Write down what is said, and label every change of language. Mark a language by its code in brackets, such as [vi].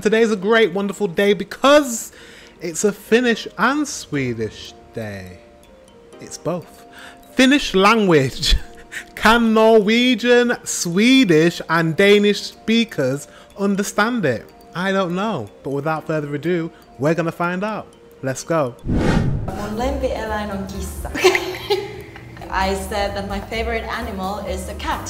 [en] Today's a great, wonderful day because it's a Finnish and Swedish day. It's both. Finnish language. Can Norwegian, Swedish, and Danish speakers understand it? I don't know. But without further ado, we're going to find out. Let's go. [fi] Mun lempieläin on kissa. [en] I said that my favorite animal is a cat.